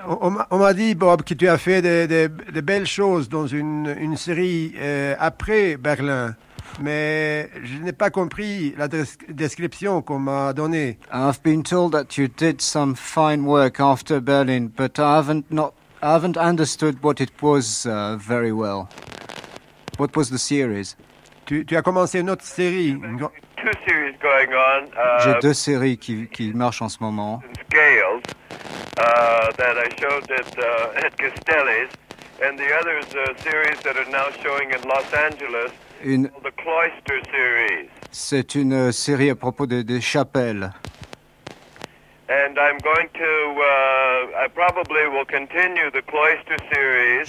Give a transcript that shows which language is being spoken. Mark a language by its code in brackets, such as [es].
[fr] On m'a dit, Bob, que tu as fait des belles choses dans une série après Berlin. Mais je n'ai pas compris la description qu'on m'a donnée. [en] I've been told that you did some fine work after Berlin, but I haven't understood what it was very well. What was the series? [fr] Tu as commencé une autre série. [en] Two series going on. [fr] J'ai deux séries qui marchent en ce moment. [en] Scales that I showed at Castelli's, and the other is a series that are now showing in Los Angeles. The Cloister series. [fr] C'est une série à propos des chapelles. [en] And I'm going to, I probably will continue the Cloister series.